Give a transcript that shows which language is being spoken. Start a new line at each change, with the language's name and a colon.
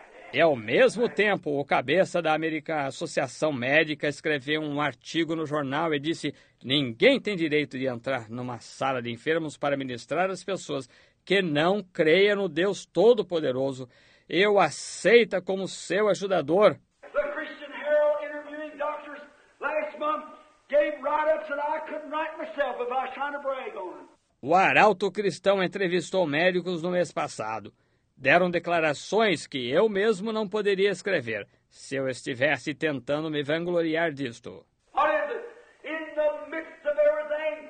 Portuguese: E ao mesmo tempo, o cabeça da American Associação Médica escreveu um artigo no jornal e disse: ninguém tem direito de entrar numa sala de enfermos para ministrar às pessoas que não creia no Deus Todo-Poderoso. Eu aceita como seu ajudador.
English: The Christian Herald interviewing doctors last month gave write-ups that I couldn't write myself if I was trying to brag on it.
Portuguese: O Arauto Cristão entrevistou médicos no mês passado. Deram declarações que eu mesmo não poderia escrever se eu estivesse tentando me vangloriar disto.
English: What is it? In the midst of everything,